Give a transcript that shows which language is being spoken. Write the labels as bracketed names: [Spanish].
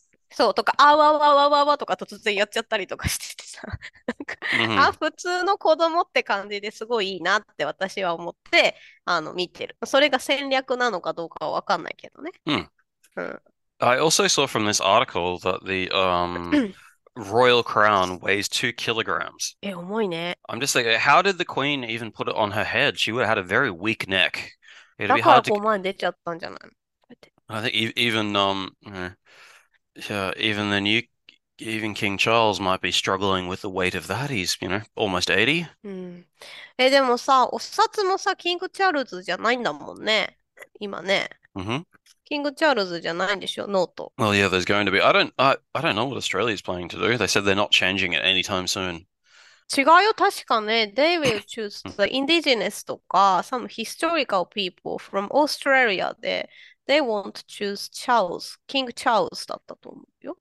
[Japanese] そう、とか、あわわわわわとか突然やっちゃったりとかしててさ、なんか、あ、普通の子供って感じですごいいいなって私は思って、見てる。それが戦略なのかどうかは分かんないけどね。 [English] I also saw from this article that the royal crown weighs 2 kilograms. [Japanese] え、重いね。 [English] I'm just thinking, how did the queen even put it on her head? She would have had a very weak neck. It'd [Japanese] だ [English] be [Japanese] から [English] hard to. [Japanese] 5万出ちゃったんじゃないの？ [English] I think even even the new even King Charles might be struggling with the weight of that. He's, almost 80. [Japanese] え、でもさ、お札もさ、キング・チャールズじゃないんだもんね。今ね。キング・チャールズじゃないんでしょ、ノート。 [English] Well, yeah, there's going to be. I don't know what Australia's planning to do. They said they're not changing it anytime soon. [Japanese] 違うよ、確かね。 [English] They will choose the indigenous とか、some historical people from Australia で、they won't choose Charles、 [Japanese] キング・チャールズだったと思うよ。